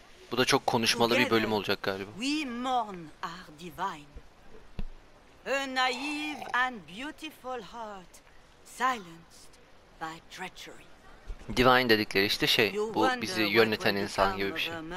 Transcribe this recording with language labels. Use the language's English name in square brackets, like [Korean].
[Turkish] Bu da çok konuşmalı bir bölüm olacak galiba. [English] We mourn our divine. A naive and beautiful heart silenced by treachery. [Turkish] Divine dedikleri işte şey bu bizi yöneten insan gibi bir şey.